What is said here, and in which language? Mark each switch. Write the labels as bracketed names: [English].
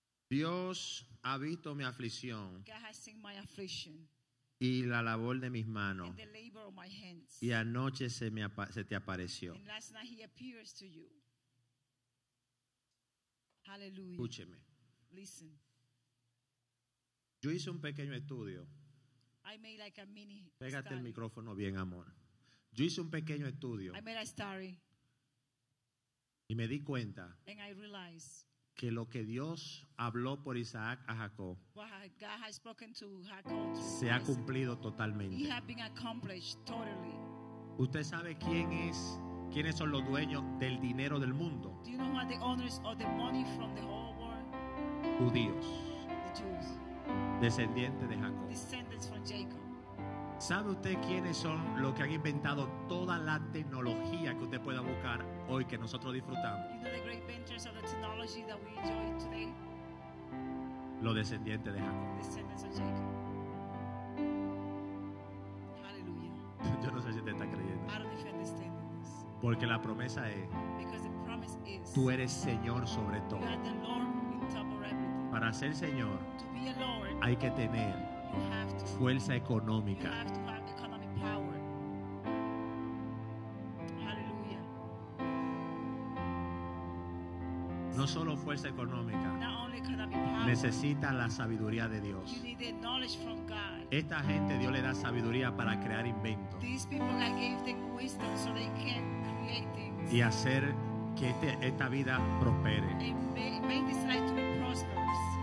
[Spanish] Dios ha visto mi aflicción. [English] God has seen my affliction. [Spanish] Y la labor de mis manos. [English] And the labor of my hands. [Spanish] Y anoche se te apareció. [English] And last night he appears to you. Hallelujah. [Spanish] Escúcheme. [English] Listen. [Spanish] Yo hice un pequeño estudio. [English] I made like a mini study. [Spanish] Pégate el micrófono bien, amor. Yo hice un pequeño estudio. [English] I made a story. [Spanish] Y me di cuenta. [English] And I realized. [Spanish] Que lo que Dios habló por Isaac a Jacob, [English] God has spoken to Jacob, [Spanish] se ha cumplido totalmente. [English] He has been accomplished totally. [Spanish] ¿Usted sabe quiénes son los dueños del dinero del mundo? [English] Do you know who are the owners of the money from the whole world? [Spanish] Judíos. [English] The Jews. [Spanish] Descendientes de Jacob. [English] Descendants from Jacob. [Spanish] ¿Sabe usted quiénes son los que han inventado toda la tecnología que usted pueda buscar hoy que nosotros disfrutamos? [English] You know the great inventors of the technology that we enjoy today? [Spanish] Los descendientes de Jacob. [English] Descendants of Jacob. Hallelujah. [Spanish] Yo no sé si te está creyendo. [English] I don't defend this statement. [Spanish] Porque la promesa es, [English] because the promise is, [Spanish] tú eres Señor sobre todo. [English] You are the Lord in top of everything. [Spanish] Para ser Señor, [English] to be a Lord, [Spanish] hay que tener fuerza económica. [English] You have to have economic power. Hallelujah. [Spanish] No solo fuerza económica. [English] Not only economic power. [Spanish] Necesita la sabiduría de Dios. [English] You need the knowledge from God. [Spanish] Esta gente Dios le da sabiduría para crear inventos. [English] These people gave them wisdom so they can create things. [Spanish] Y hacer que esta vida prospere. [English] And make this life to be prosperous.